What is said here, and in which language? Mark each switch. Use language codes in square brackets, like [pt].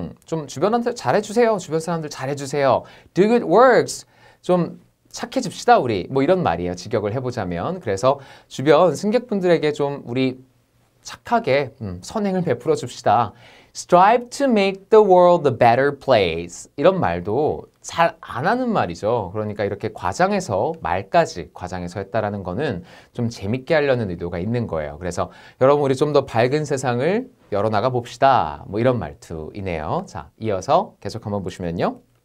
[ko] 좀 주변한테 잘해주세요. 주변 사람들 잘해주세요. [en] Do good works. [ko] 좀 착해집시다 우리. 뭐 이런 말이에요. 직역을 해보자면. 그래서 주변 승객분들에게 좀 우리 착하게 선행을 베풀어 줍시다. [en] Strive to make the world a better place. [ko] 이런 말도 잘 안 하는 말이죠. 그러니까 이렇게 과장해서 말까지 과장해서 했다라는 거는 좀 재밌게 하려는 의도가 있는 거예요. 그래서 여러분 우리 좀 더 밝은 세상을 열어나가 봅시다. 뭐 이런 말투이네요. 자, 이어서 계속 한번 보시면요.